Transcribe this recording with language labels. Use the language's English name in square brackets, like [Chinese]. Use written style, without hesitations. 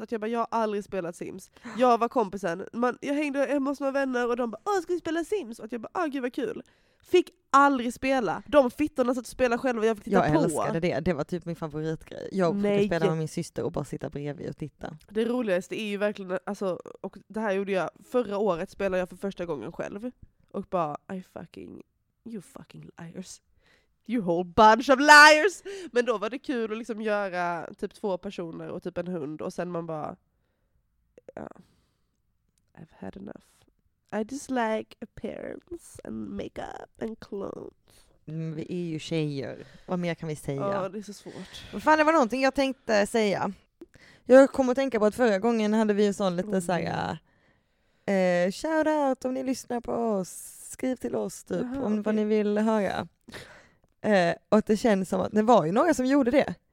[Swedish] Att jag bara, jag har aldrig spelat Sims. Jag var kompisen. Jag hängde hemma hos några vänner och de bara, åh, ska vi spela Sims? Att jag bara, åh, gud vad kul. Fick aldrig spela. De fittorna satt och spelade själva och jag fick titta på. Jag älskade det. Det var typ min favoritgrej. Jag fick spela med min syster och bara sitta bredvid och titta. Det roligaste är ju verkligen, alltså, och det här gjorde jag förra året, spelade jag för första gången själv. Och bara, [English] I fucking, you fucking liars. You whole bunch of liars. [Swedish] Men då var det kul att liksom göra typ två personer och typ en hund. Och sen man bara, ja, [English] I've had enough. I just like appearance and makeup and clothes. [Swedish] Mm, vi är ju tjejer. Vad mer kan vi säga? Ja, det är så svårt. Vad fan, det var någonting jag tänkte säga. Jag kommer att tänka på att förra gången hade vi ju sån lite så här shout out om ni lyssnar på oss. Skriv till oss typ. Aha, om okay. Vad ni vill höra. Och det känns som att det var ju några som gjorde det.